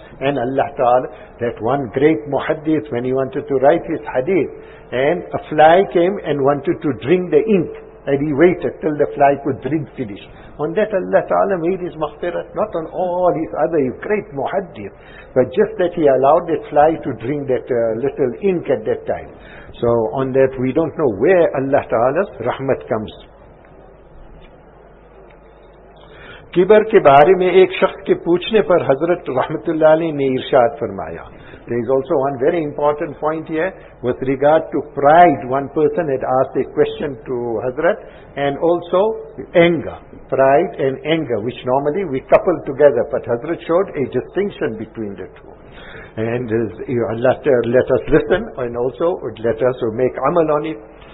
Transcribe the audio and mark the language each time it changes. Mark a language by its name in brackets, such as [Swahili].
[English] And Allah Ta'ala, that one great muhaddith, when he wanted to write his hadith, and a fly came and wanted to drink the ink, and he waited till the fly could drink finish. On that Allah Ta'ala made his maghfirah, not on all his other great muhaddith, but just that he allowed that fly to drink that little ink at that time. So on that, we don't know where Allah Ta'ala's rahmat comes. [Urdu] کبر کے بارے میں ایک شخص کے پوچھنے پر حضرت رحمت اللہ علیہ نے ارشاد فرمایا. [English] There is also one very important point here with regard to pride. One person had asked a question to Hazrat, and also anger. Pride and anger, which normally we couple together, but Hazrat showed a distinction between the two. And let us listen, and also let us make amal on it.